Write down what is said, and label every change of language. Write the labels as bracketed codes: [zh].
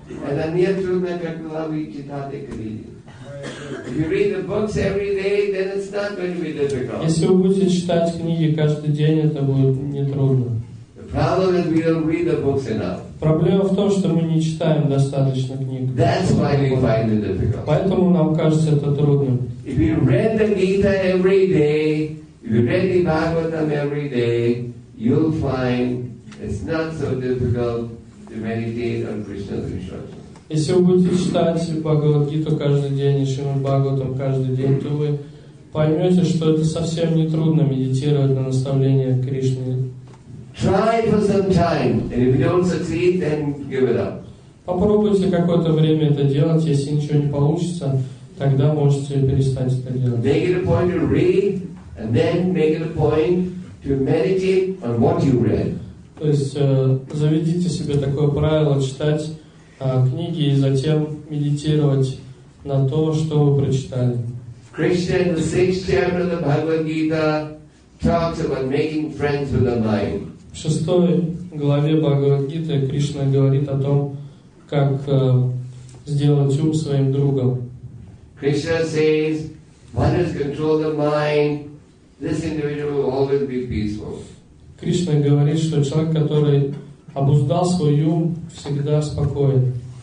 [ru] Это не трудно, как главы читаты книги. [en] If you read the books every day, then it's not going to be difficult. [ru] Если вы будете читать книги каждый день, это будет нетрудно. [en] The problem is we don't read the books enough. [ru] Проблема в том, что мы не читаем достаточно книг. [en] That's why we find it difficult. [ru] Поэтому нам кажется это трудным. [en] If you read the Gita every day, if you read the Bhagavatam every day, you'll find it's not so difficult to meditate on Krishna's instructions. [ru] Если вы будете читать Бхагавад-гиту каждый день и Шримад-Бхагаватам каждый день, то вы поймете, что это совсем не трудно медитировать на наставления Кришны. [en] Try for some time, and if you don't succeed, then give it up. [ru] Попробуйте какое-то время это делать, если ничего не получится, тогда можете перестать это делать. [en] Make it a point to read, and then make it a point to meditate on what you read. [ru] То есть заведите себе такое правило читать книги и затем медитировать на то, что вы прочитали. [en] Krishna in the sixth chapter of the Bhagavad Gita talks about making friends with the mind. [ru] В шестой главе Бхагавад Гиты Кришна говорит о том, как сделать ум своим другом. [en] Krishna says, what is control the mind? This individual will always be peaceful. [ru] Кришна говорит, что человек, который обуздал свой ум, всегда спокоен.